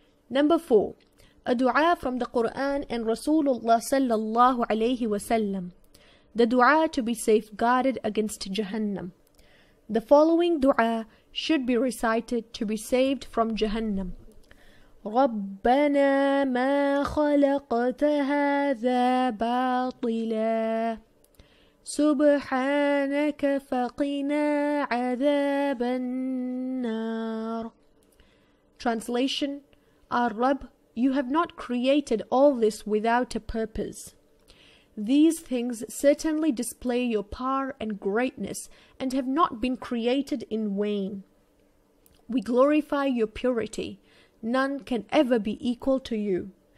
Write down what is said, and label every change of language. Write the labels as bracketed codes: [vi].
[en] Number 4. A dua from the Quran and Rasulullah sallallahu alayhi wa sallam. The dua to be safeguarded against Jahannam. The following dua should be recited to be saved from Jahannam. [ar] ربنا ما خلقت هذا باطلا سبحانك فقنا عذاب النار. [en] Translation: Our Rabb, you have not created all this without a purpose. These things certainly display your power and greatness and have not been created in vain. We glorify your purity. None can ever be equal to you.